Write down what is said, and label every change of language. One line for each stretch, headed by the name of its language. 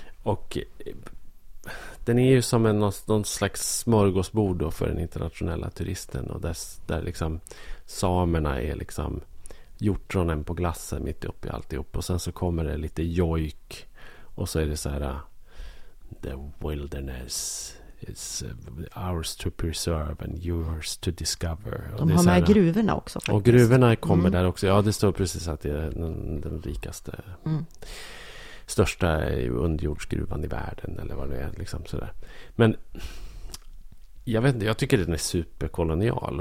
Swedish: Och den är ju som någon slags smörgåsbord då för den internationella turisten. Och där liksom samerna är liksom hjortronen på glassen mitt uppe i alltihop. Och sen så kommer det lite jojk. Och så är det så här,
English: the wilderness... It's ours to preserve and yours to discover.
Swedish: De har med gruvorna också. Faktiskt. Och gruvorna kommer där också. Ja, det står precis att det är den rikaste, största underjordsgruvan i världen. Eller vad det är, liksom sådär. Men jag vet inte, jag tycker den är superkolonial.